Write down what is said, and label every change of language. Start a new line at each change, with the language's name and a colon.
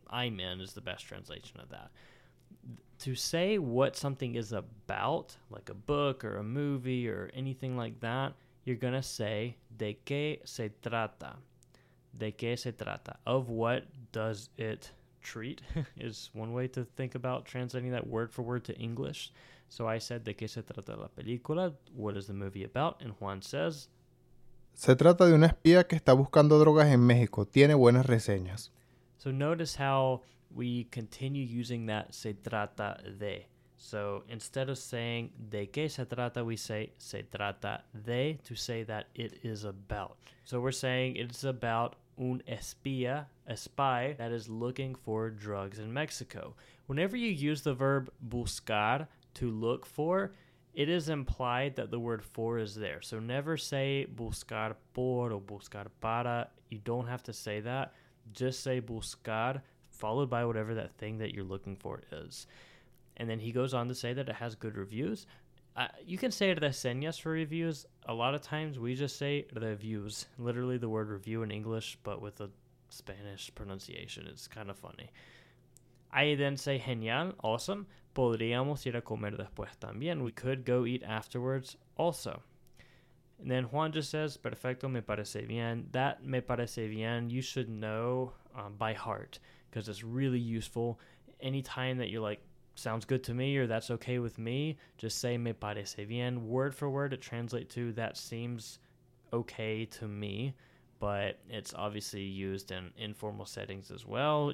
English: I'm in is the best translation of that. To say what something is about, like a book or a movie or anything like that, you're going to say,
Spanish: ¿De qué se trata? ¿De qué se trata?
English: Of what does it treat? Is one way to think about translating that word for word to English. So I said,
Spanish: ¿De qué se trata la película?
English: What is the movie about? And Juan says,
Spanish: se trata de una espía que está buscando drogas en México. Tiene buenas reseñas.
English: So notice how we continue using that
Spanish: se trata de.
English: So instead of saying
Spanish: de qué se trata,
English: we say
Spanish: se trata de,
English: to say that it is about. So we're saying it's about un espía, a spy that is looking for drugs in Mexico. Whenever you use the verb buscar, to look for, it is implied that the word for is there. So never say
Spanish: buscar por
English: or
Spanish: buscar para.
English: You don't have to say that. Just say buscar, followed by whatever that thing that you're looking for is. And then he goes on to say that it has good reviews. You can say reseñas for reviews. A lot of times we just say reviews, literally the word review in English, but with a Spanish pronunciation. It's kind of funny. I then say, genial, awesome.
Spanish: Podríamos ir a comer después también.
English: We could go eat afterwards also. And then Juan just says,
Spanish: perfecto, me parece bien.
English: That
Spanish: me parece bien,
English: you should know by heart because it's really useful. Anytime that you're like, sounds good to me or that's okay with me, just say
Spanish: me parece bien.
English: Word for word, it translates to that seems okay to me, but it's obviously used in informal settings as well.